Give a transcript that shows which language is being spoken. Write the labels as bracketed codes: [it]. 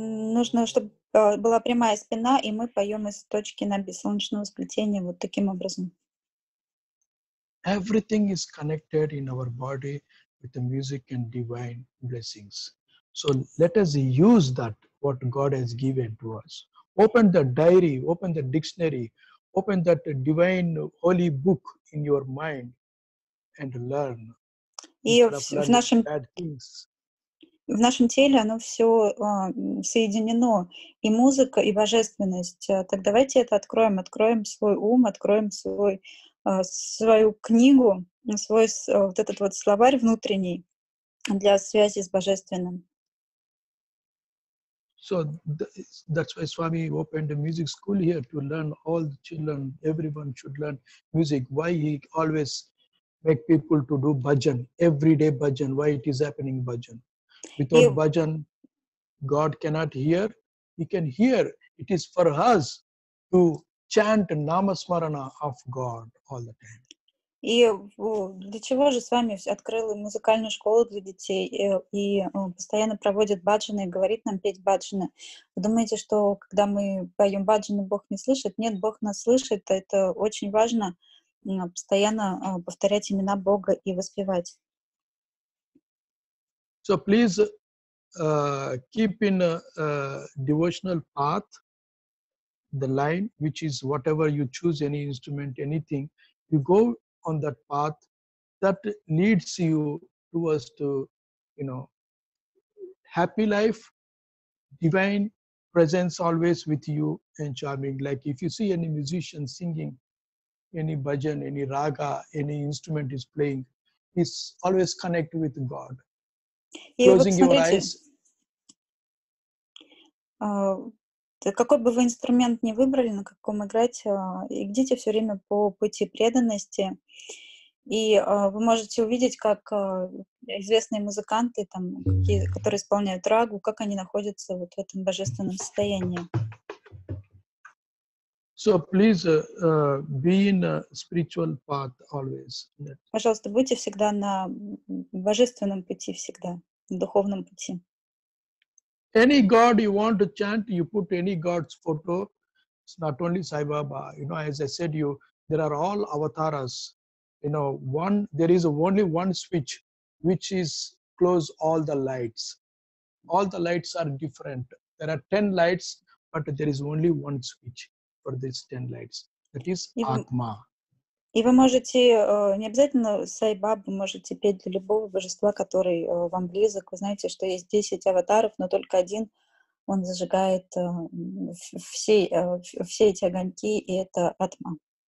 [ru] Нужно, чтобы была прямая спина, и мы поем из точки на солнечного сплетения вот таким образом. [en] Everything is connected in our body with the music and divine blessings. So let us use that, what God has given to us. Open the diary, open the dictionary, open that divine holy book in your mind and learn. [ru] И в нашем... [en] Bad things. [ru] В нашем теле оно все соединено, и музыка, и божественность. Так давайте это откроем, откроем свой ум, откроем свой, свою книгу, свой вот этот вот словарь внутренний для связи с божественным. [en] So that's why Swami opened a music school here to learn all the children, everyone should learn music. Why he always make people to do bhajan, everyday bhajan, why it is happening bhajan. Without bhajan, God cannot hear. He can hear. It is for us to chant namasmarana of God all the time. [ru] И для чего же с вами открыла музыкальную школу для детей и постоянно проводит баджаны и говорит нам петь баджаны? Вы думаете, что когда мы поем баджаны, Бог не слышит? Нет, Бог нас слышит. Это очень важно постоянно повторять имена Бога и воспевать. [en] So please keep in devotional path the line, which is whatever you choose, any instrument, anything, you go on that path that leads you towards to, you know, happy life, divine presence always with you and charming. Like if you see any musician singing, any bhajan, any raga, any instrument is playing, he's always connected with God. [ru] И closing вот смотрите, какой бы вы инструмент ни выбрали, на каком играть, идите все время по пути преданности, и вы можете увидеть, как известные музыканты, там, какие, которые исполняют рагу, как они находятся вот в этом божественном состоянии. [en] So please be in a spiritual path always. [ru] Пожалуйста, будьте всегда на божественном пути всегда. На духовном пути. [en] Any god you want to chant, you put any god's photo. It's not only Sai Baba. You know, as I said, you there are all avatars. you know, one, there is only one switch which is close all the lights. All the lights are different. There are 10 lights, but there is only one switch for these 10 lights. That is Atma. [ru] И вы можете, не обязательно Саи Бабу, можете петь для любого божества, который вам близок. Вы знаете, что есть 10 аватаров, но только один, он зажигает все эти огоньки, и это Атма.